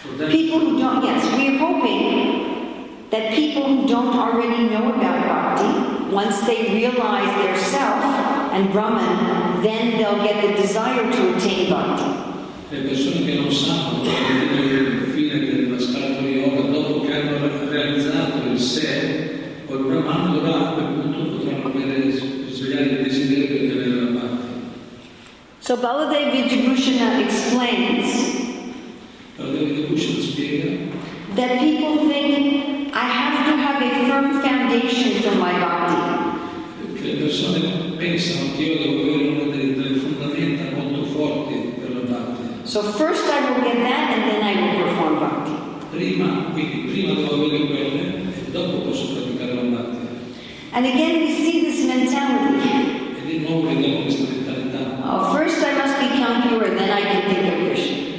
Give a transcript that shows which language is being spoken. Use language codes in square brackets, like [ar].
[en] people who don't, yes, we are hoping that people who don't already know about bhakti, once they realize their self and Brahman, then they'll get the desire to attain bhakti. [it] Le persone che non sanno che il fine della scala di yoga, dopo che hanno realizzato il sé, o il Brahman, allora a quel punto potranno svegliare il desiderio di avere la bhakti. [en] So Baladev Vidyabhushana explains that people think I have to have a firm foundation for my bhakti. [it] Le persone pensano che io devo avere una delle fondamenta molto forti per la bhakti. [en] So first I will get that and then I will perform bhakti. [it] Prima devo avere quello e dopo posso praticare la bhakti. [en] And again we see this mentality. [it] E di nuovo vediamo questa mentalità. [en] Oh, first I must become pure and then I can think of Krishna.